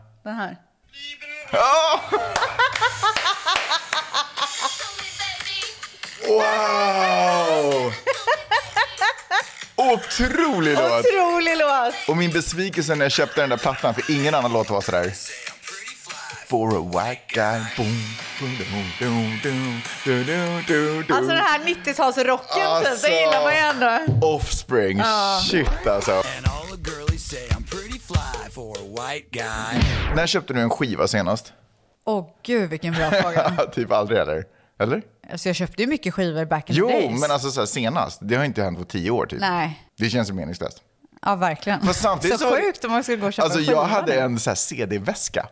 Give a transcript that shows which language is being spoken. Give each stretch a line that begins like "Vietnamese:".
Swedish: Den här. Wow! Otrolig låt. Otrolig låt. Och min besvikelse när jag köpte den där plattan, för ingen annan låt var så där.
English: For a white guy, boom, boom, boom, boom, boom, boom, boom, boom, boom.
Swedish: Alltså den här 90-tals rocken, alltså, det gillar man ändå. Offspring. Shit alltså.
English: And all the girlies say I'm pretty fly for a white guy.
Swedish: När köpte du en skiva senast? Åh gud, vilken bra fråga. Typ aldrig eller? Eller? Alltså jag köpte ju mycket skivor
English: back in
Swedish: jo,
English: the days.
Swedish: Jo, men alltså så här, senast. Det har inte hänt på 10 år typ. Nej. Det känns meningslöst. Ja, verkligen. Men samtidigt så sjukt om man skulle gå och köpa. Alltså jag hade en så här CD-väska.